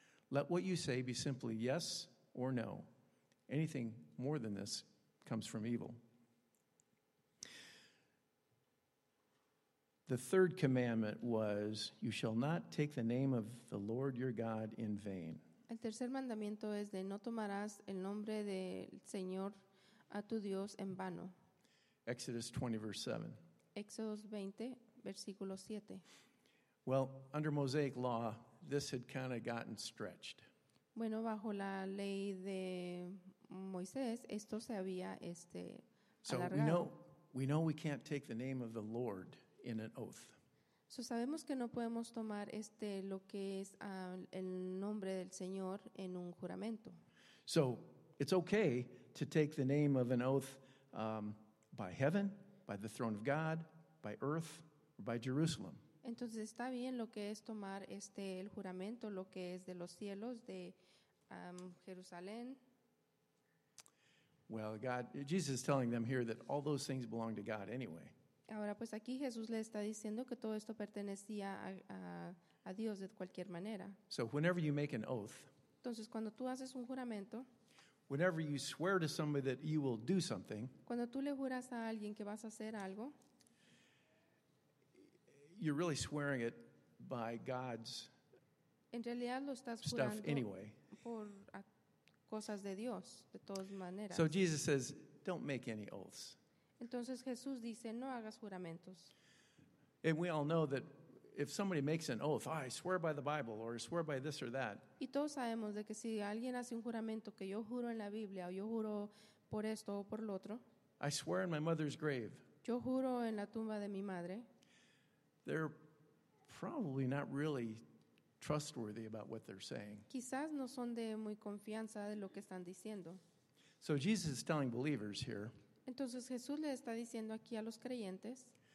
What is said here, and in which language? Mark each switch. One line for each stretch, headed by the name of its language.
English: Let what you say be simply yes or no. Anything more than this comes from evil. The third commandment was, you shall not take the name of the Lord your God in vain.
Spanish: El tercer mandamiento es de no tomarás el nombre del Señor a tu Dios en vano.
English: Exodus 20, verse 7.
Spanish: Exodus 20, versículo 7.
English: Well, under Mosaic law, this had kind of gotten stretched.
Spanish: Bueno, bajo la ley de Moisés, esto se había alargado.
English: So we know we can't take the name of the Lord in an oath.
Spanish: So sabemos que no podemos tomar lo que es el nombre del Señor en un juramento.
English: So it's okay to take the name of an oath by heaven, by the throne of God, by earth, or by Jerusalem.
Spanish: Entonces está bien lo que es tomar el juramento, lo que es de los cielos, de Jerusalén.
English: Well, God, Jesus is telling them here that all those things belong to God anyway.
Spanish: Ahora, pues aquí Jesús le está diciendo que todo esto pertenecía a Dios de cualquier manera.
English: So whenever you make an oath,
Spanish: entonces cuando tú haces un juramento,
English: whenever you swear to somebody that you will do something,
Spanish: cuando tú le juras a alguien que vas a hacer algo,
English: you're really swearing it by God's
Spanish: en realidad lo estás
English: stuff
Spanish: jurando
English: anyway.
Spanish: Por cosas de Dios, de todas maneras.
English: So Jesus says, don't make any oaths.
Spanish: Entonces Jesús dice, no hagas juramentos.
English: And we all know that if somebody makes an oath, oh, I swear by the Bible, or I swear by this or that.
Spanish: Y todos sabemos de que si alguien hace un juramento que yo juro en la Biblia, o yo juro por esto o por lo otro.
English: I swear in my mother's grave.
Spanish: Yo juro en la tumba de mi madre.
English: They're probably not really trustworthy about what they're saying.
Spanish: Quizás no son de muy confianza de lo que están diciendo.
English: So Jesus is telling believers here,
Spanish: Entonces Jesús le está diciendo aquí a los creyentes,